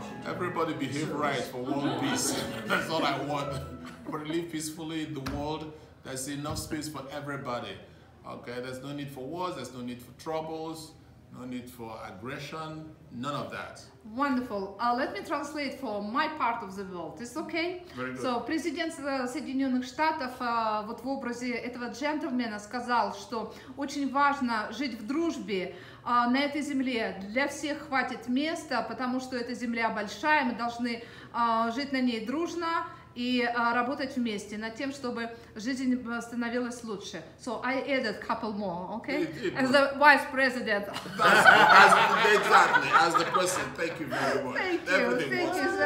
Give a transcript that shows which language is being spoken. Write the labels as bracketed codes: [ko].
[en] Everybody behave right for world peace. That's all I want. But live peacefully in the world. There's enough space for everybody. Okay. There's no need for wars. There's no need for troubles. No need for aggression, none of that. Wonderful. Let me translate for my part of the world. Is okay? Very good. [ru] So, президент Соединенных Штатов вот в образе этого джентльмена сказал, что очень важно жить в дружбе. На этой земле для всех хватит места, потому что эта земля большая, мы должны жить на ней дружно и работать вместе над тем, чтобы жизнь становилась лучше. [en] So I added a couple more, okay? As the vice president. Exactly, as the president. Thank you very much. Thank you. Everything thank was. You so much.